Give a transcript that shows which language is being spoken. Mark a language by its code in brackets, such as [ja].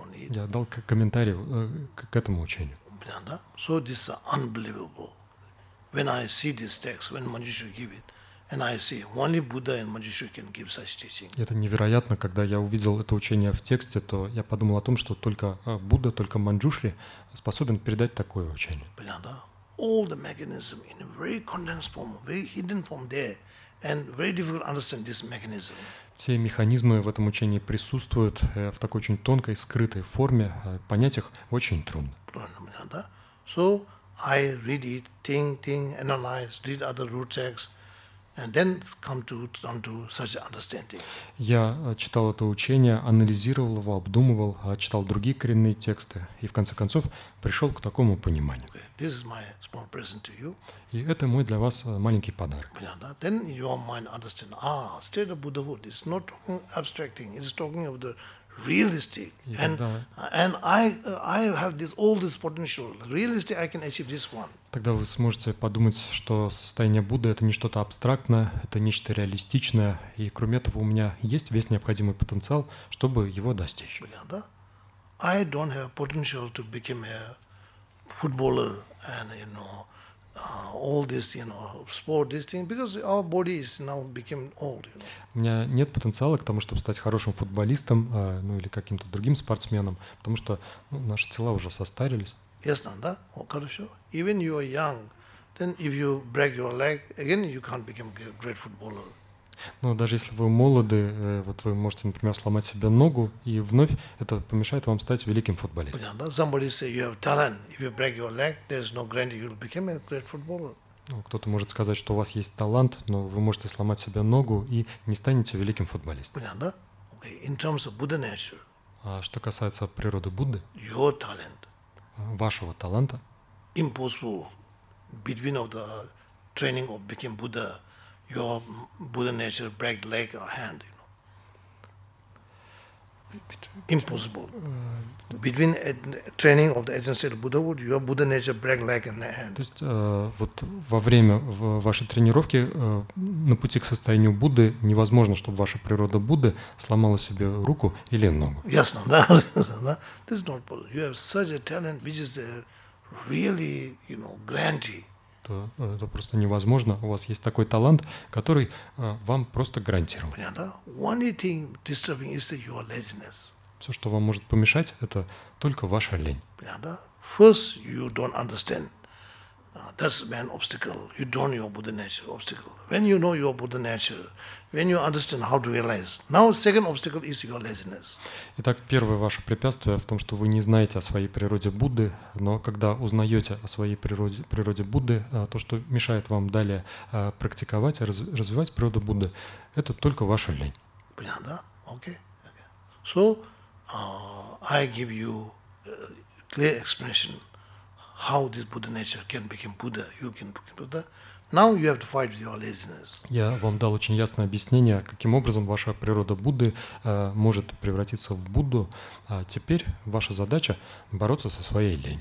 [ru] Я дал комментарий к этому учению. [en] So this is unbelievable. When I see this text, when Manjushri give it, and I see only Buddha and Manjushri can give such teaching. [ru] Это невероятно, когда я увидел это учение в тексте, то я подумал о том, что только Будда, только Манджушри способен передать такое учение. Понятно. [en] All the mechanism in a very condensed form, very hidden form there, and very difficult to understand this mechanism. [ru] Все механизмы в этом учении присутствуют в такой очень тонкой, скрытой форме. Понять их очень трудно. Правильно, да? [en] So I read it, think, analyze, read other root texts, and then come to such understanding. [ru] Я читал это учение, анализировал его, обдумывал, читал другие коренные тексты и в конце концов пришел к такому пониманию. [en] Okay. This is my small present to you. [ru] И это мой для вас маленький подарок. Понятно, да? [en] Then your mind understand. State of Buddhahood is not talking abstracting. It's talking of the realistic. And I have this all this potential. Realistic, I can achieve this one. [ru] Тогда вы сможете подумать, что состояние Будды — это не что-то абстрактное, это нечто реалистичное, и кроме этого у меня есть весь необходимый потенциал, чтобы его достичь. Понятно, да? [en] I don't have potential to become a footballer and all this sport this thing because our body is now became old. [ru] У меня нет потенциала к тому, чтобы стать хорошим футболистом, или каким-то другим спортсменом, потому что наши тела уже состарились. Yes, да? Хорошо. [en] Even you are young, then if you break your leg again, you can't become a great footballer. [ru] Но даже если вы молоды, вот вы можете, например, сломать себе ногу, и вновь это помешает вам стать великим футболистом. [en] Somebody say you have talent. If you break your leg, there's no guarantee you'll become a great footballer. [ru] Кто-то может сказать, что у вас есть талант, но вы можете сломать себе ногу и не станете великим футболистом. [en] Да? Okay. In terms of Buddha nature. [ru] А что касается природы Будды? [en] Your talent. [ru] Вашего таланта? [en] Impossible. Between of the training of became Buddha, your Buddha nature break leg or hand. You know. Impossible. Between training of the agency of Buddha, your Buddha nature break leg and hand. [ru] То есть вот во время вашей тренировки на пути к состоянию Будды невозможно, чтобы ваша природа Будды сломала себе руку или ногу. Ясно, да? [en] This is not possible. You have such a talent which is really, you know, grandy. [ru] Это просто невозможно. У вас есть такой талант, который вам просто гарантирован. [en] Понятно? Only thing disturbing is your laziness. [ru] Все, что вам может помешать, это только ваша лень. [en] Понятно? First, you don't understand. That's an obstacle. You don't know your Buddha nature obstacle. When you know your Buddha nature, when you understand how to realize. Now, second obstacle is your laziness. [ru] Итак, первое ваше препятствие в том, что вы не знаете о своей природе Будды, но когда узнаете о своей природе Будды, то, что мешает вам далее практиковать и развивать природу Будды, это только ваша лень. Понятно, да? [en] Okay. So, I give you a clear explanation. How this Buddha nature can become Buddha? You can become Buddha. Now you have to fight with your laziness. [ru] Я вам дал очень ясное объяснение, каким образом ваша природа Будды может превратиться в Будду. А теперь ваша задача бороться со своей ленью.